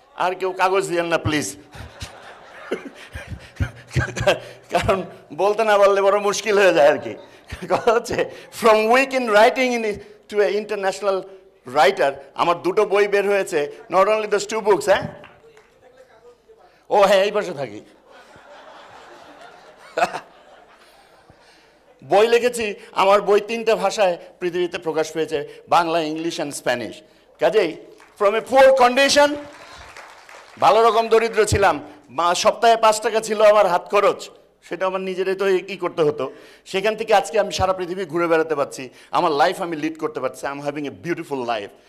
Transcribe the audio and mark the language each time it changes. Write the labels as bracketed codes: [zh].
[bn] আর কেউ কাগজ দিয়েন না প্লিজ, কারণ বলতে না বললে বড় মুশকিল হয়ে যায় আর কি. [en] From weak in writing to an international writer, [bn] আমার দুটো বই বের হয়েছে, [en] not only those two books, eh? [bn] Oh, হ্যাঁ, এই পাশে থাকি. বই লিখেছি, আমার বই তিনটা ভাষায় পৃথিবীতে প্রকাশ পেয়েছে, বাংলা, ইংলিশ অ্যান্ড স্প্যানিশ. কাজেই [en] from a poor condition, [bn] ভালো রকম দরিদ্র ছিলাম, সপ্তাহে 5 টাকা ছিল আমার হাত খরচ, সেটা আমার নিজেরাই তো কী করতে হতো, সেখান থেকে আজকে আমি সারা পৃথিবী ঘুরে বেড়াতে পারছি, আমার লাইফ আমি লিড করতে পারছি, [en] I am having a beautiful life.